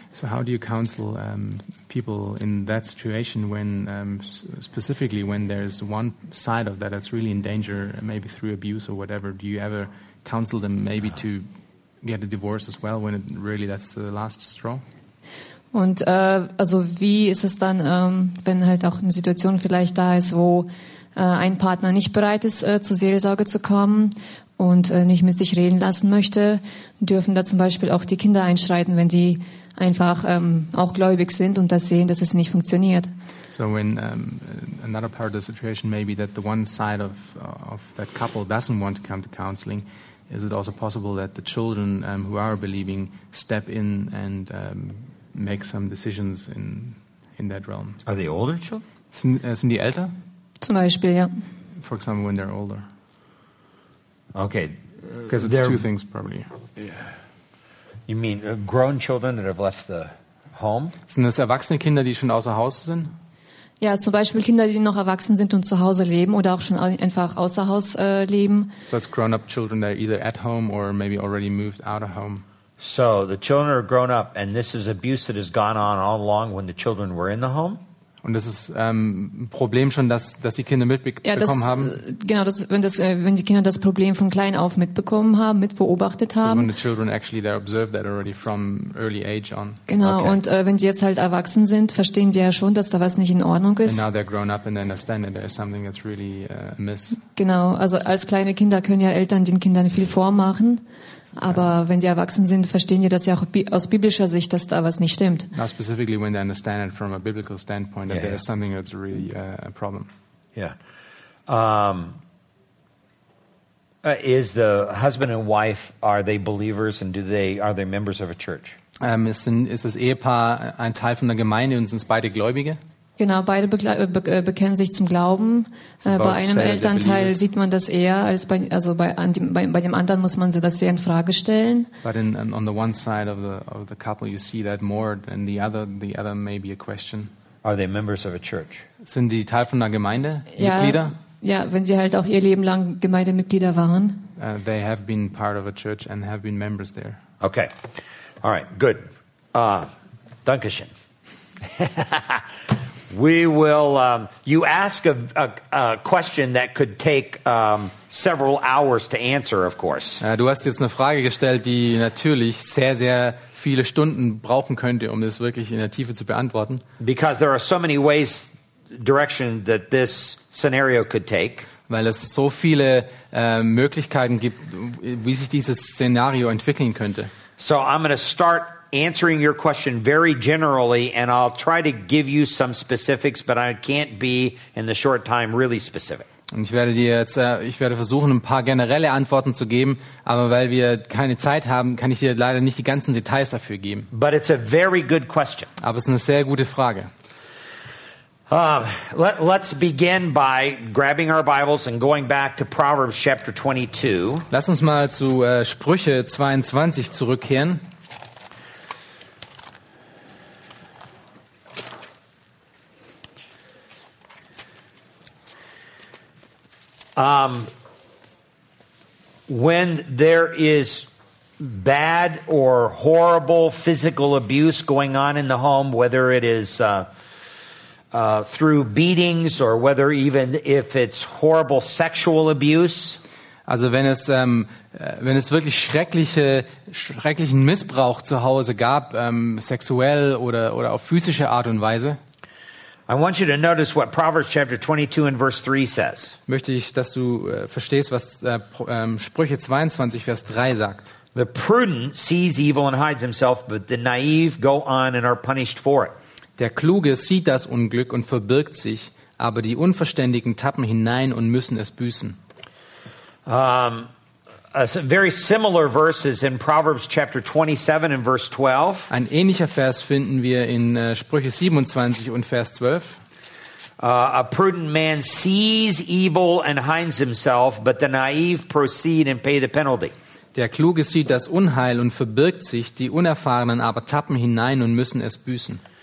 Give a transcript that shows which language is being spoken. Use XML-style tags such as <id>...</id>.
<en>So how do you counsel people in that situation when specifically when there is one side of that that's really in danger, maybe through abuse or whatever, do you ever counsel them maybe to get a divorce as well when it really that's the last straw.</en> <de>Und also wie ist es dann wenn halt auch eine Situation vielleicht da ist, wo ein Partner nicht bereit ist zur Seelsorge zu kommen und nicht mit sich reden lassen möchte, dürfen da zum Beispiel auch die Kinder einschreiten, wenn sie einfach auch gläubig sind und das sehen, dass es nicht funktioniert?</de> <en>So when another part of the situation maybe that the one side of that couple doesn't want to come to counseling, is it also possible that the children who are believing step in and make some decisions in that realm? Are they older children?</en> <de>Sind die älter? Zum Beispiel, ja.</de> <en>For example, when they're older. Okay. Because it's two things, probably. Yeah. You mean grown children that have left the home?</en> <de>Sind das erwachsene Kinder, die schon außer Haus sind? Ja, zum Beispiel Kinder, die noch erwachsen sind und zu Hause leben oder auch schon einfach außer Haus leben.</de> <en>So it's grown-up children that are either at home or maybe already moved out of home. So the children are grown up and this is abuse that has gone on all along when the children were in the home?</en> <de>Und das ist ein Problem schon, dass die Kinder mitbekommen haben. Genau, wenn die Kinder das Problem von klein auf mitbekommen haben, mitbeobachtet haben.</de> <en>So when the children actually they observe that already from early age on.</en> <de>Genau, okay. Und wenn sie jetzt halt erwachsen sind, verstehen die ja schon, dass da was nicht in Ordnung ist.</de> <en>And now they're grown up and they understand that there's something that's really amiss.</en> <de>Genau, also als kleine Kinder können ja Eltern den Kindern viel vormachen. Aber wenn die erwachsen sind, verstehen die das ja auch aus biblischer Sicht, dass da was nicht stimmt.</de> <en>Not specifically when they understand it from a biblical standpoint, that there is something that's really a problem. Yeah. Is the husband and wife, are they believers and are they members of a church?</en> <de>Ist das Ehepaar ein Teil von der Gemeinde und sind es beide Gläubige? Genau, beide bekennen sich zum Glauben. So bei einem Elternteil sieht man das eher, als bei dem anderen muss man das sehr in Frage stellen.</de> <en>But on the one side of the couple, you see that more than the other may be a question. Are they members of a church?</en> <de>Sind die Teil von einer Gemeinde? Ja, Mitglieder? Ja, wenn sie halt auch ihr Leben lang Gemeindemitglieder waren.</de> <en>They have been part of a church and have been members there. Okay, all right, good.</en> <de>Dankeschön.</de> <en>We will. You ask a question that could take several hours to answer. Of course.</en> <de>Du hast jetzt eine Frage gestellt, die natürlich sehr, sehr viele Stunden brauchen könnte, um das wirklich in der Tiefe zu beantworten.</de> <en>Because there are so many ways, direction that this scenario could take.</en> <de>Weil es so viele Möglichkeiten gibt, wie sich dieses Szenario entwickeln könnte.</de> <en>So I'm going to start. Answering your question very generally, and I'll try to give you some specifics, but I can't be in the short time really specific.</en> <de>Und ich werde versuchen, ein paar generelle Antworten zu geben, aber weil wir keine Zeit haben, kann ich dir leider nicht die ganzen Details dafür geben.</de> <en>But it's a very good question.</en> <de>Aber es ist eine sehr gute Frage.</de> <en>Let's begin by grabbing our Bibles and going back to Proverbs chapter 22.</en> <de>Lass uns mal zu Sprüche 22 zurückkehren.</de> <en>When there is bad or horrible physical abuse going on in the home, whether it is through beatings or whether even if it's horrible sexual abuse.</en> <de>Also wenn es wirklich schrecklichen Missbrauch zu Hause gab, sexuell oder auf physische Art und Weise.</de> <en>I want you to notice what Proverbs chapter 22 and verse 3 says.</en> <de>Möchte ich, dass du verstehst, was Sprüche 22 Vers 3 sagt.</de> <en>The prudent sees evil and hides himself, but the naive go on and are punished for it.</en> <de>Der Kluge sieht das Unglück und verbirgt sich, aber die Unverständigen tappen hinein und müssen es büßen.</de> <en>A very similar verses in Proverbs chapter 27 and verse 12.</en> <de>Ein ähnlicher Vers finden wir in Sprüche 27 und Vers 12.</de> <en>A prudent man sees evil and hides himself, but the naive proceed and pay the penalty.</en> <de>Der Kluge sieht das Unheil und verbirgt sich, die Unerfahrenen aber tappen hinein und müssen es büßen.</de>